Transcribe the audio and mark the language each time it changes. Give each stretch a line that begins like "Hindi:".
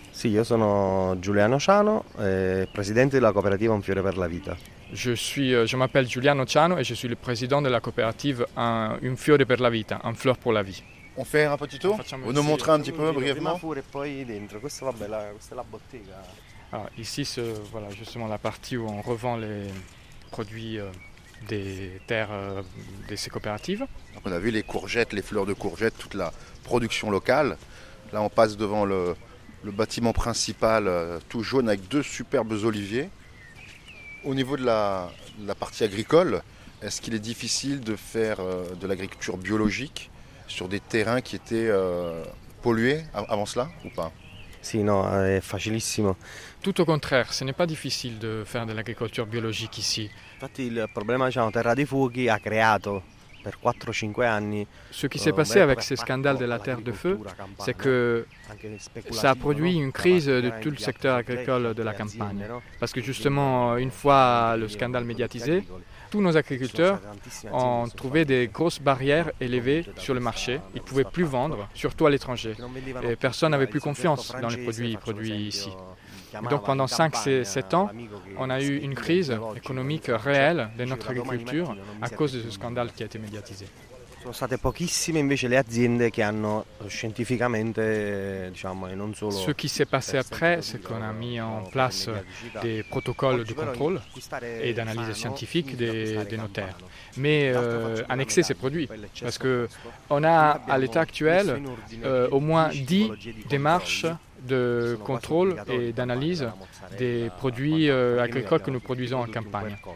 Italian: Sì, io sono Giuliano Ciano, presidente della cooperativa Un Fiore per la Vita.
French: Je m'appelle Giuliano Ciano et je suis le président de la coopérative Un Fiore per la Vita, Un Fleur pour la Vie. On fait un petit tour. Vous nous montrez un petit peu brièvement. Pour et puis
Italian: dentro. Questa vabbè, questa è la bottega.
French: Ah, ici, c'est voilà, justement la partie où on revend les produits des terres de ces coopératives. Donc on a vu les courgettes, les fleurs de courgettes, toute la production locale. Là, on passe devant le bâtiment principal, tout jaune, avec deux superbes oliviers. Au niveau de la partie agricole, est-ce qu'il est difficile de faire de l'agriculture biologique sur des terrains qui étaient pollués avant cela ou pas?
Italian: Si, non, è facilissimo.
French: Tout au contraire, ce n'est pas difficile de faire de l'agriculture biologique ici.
Italian: Infatti, il problema, diciamo, Terra dei Fuochi ha creato per 4-5 anni.
French: Ce qui s'est passé avec ces scandales de la Terre de Feu, c'est que ça a produit une crise de tout le secteur agricole de la campagne. Parce que justement, une fois le scandale médiatisé, tous nos agriculteurs ont trouvé des grosses barrières élevées sur le marché. Ils ne pouvaient plus vendre, surtout à l'étranger. Et personne n'avait plus confiance dans les produits produits ici. Et donc pendant 5-7 ans, on a eu une crise économique réelle de notre agriculture à cause de ce scandale qui a été médiatisé.
Italian: Sono state pochissime invece le aziende che hanno scientificamente, diciamo, e non solo.
French: Ce qui s'est passé après, c'est qu'on a mis en place des protocoles de contrôle et d'analyse scientifique des nos terres. Mais annexer ces produits, parce que on a à l'état actuel au moins 10 démarches de contrôle et d'analyse des produits agricoles que nous produisons en campagne.